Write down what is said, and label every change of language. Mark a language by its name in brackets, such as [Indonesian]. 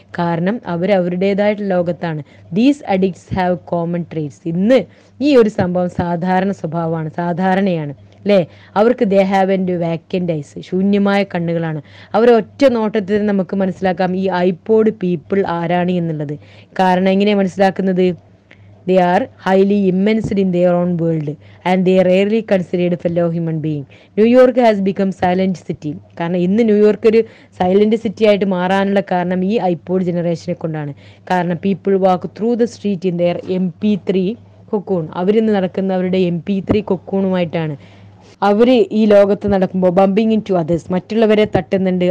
[Malayalam] കാരണം അവരവരുടേതായിട്ടുള്ള ലോകത്താണ്. [English] These addicts have common traits. [Malayalam] ഇന്ന് ഈ ഒരു സംഭവം സാധാരണ സ്വഭാവമാണ്, സാധാരണയാണ് അല്ലേ. അവർക്ക് [English] they have and vacant eyes, [Malayalam] ശൂന്യമായ കണ്ണുകളാണ്. അവരെ ഒറ്റ നോട്ടത്തിൽ നമുക്ക് മനസ്സിലാക്കാം ഈ ഐപോഡ് പീപ്പിൾ ആരാണ് എന്നുള്ളത്. കാരണം എങ്ങനെയാണ് മനസ്സിലാക്കുന്നത്? [English] They are highly immersed in their own world and they are rarely considered a fellow human being. New York has become silent city. [Malayalam] കാരണം ഇന്ന് ന്യൂയോർക്ക് ഒരു സൈലൻറ്റ് സിറ്റി ആയിട്ട് മാറാനുള്ള കാരണം ഈ ഐപോഡ് ജനറേഷനെ കൊണ്ടാണ്. കാരണം [English] People walk through the street in their MP3 cocoon. [Malayalam] അവരിന്ന് നടക്കുന്ന അവരുടെ MP3 കൊക്കൂണുമായിട്ടാണ് അവർ ഈ ലോകത്ത് നടക്കുമ്പോൾ [English] bumping into others, [Malayalam] മറ്റുള്ളവരെ തട്ടുന്നുണ്ട്.